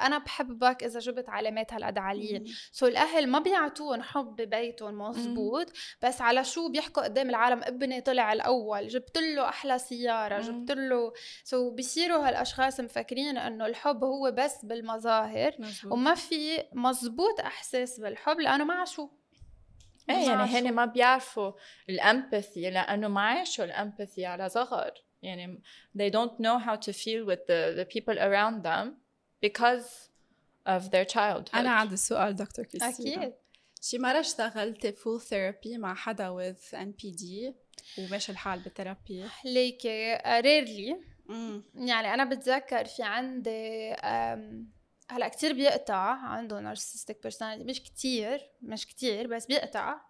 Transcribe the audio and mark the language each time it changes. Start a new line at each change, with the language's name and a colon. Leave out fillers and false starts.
Arabic: أنا بحبك إذا جبت علامات هالقد عالية. سو الأهل ما بيعطون حب ببيتهم مظبوط، بس على شو بيحكوا قدام العالم؟ ابني طلع الأول، جبت له أحلى سيارة، جبت له. سو بيصيروا هالأشخاص مفكرين أنه الحب هو بس بالمظاهر، مزبوط. وما في مظبوط أحساس بالحب لأنه ما عشو. إيه يعني هن ما بيعرفوا الأمباثي لأنه ما عاشوا الأمباثي على صغر.
English: يعني they don't know how to feel with the people around them because of their childhood.
Arabic: أنا عندي سؤال دكتور كريستينا. أكيد. شي مرة اشتغلت
English: full therapy
Arabic: مع حدا
English: with NPD
Arabic: وماش الحال بالثيرابي؟ ليك rarely. يعني أنا بتذكر في عندي هلا كتير بيقطع عنده
English: narcissistic personality،
Arabic: مش كتير مش كتير بس بيقطع.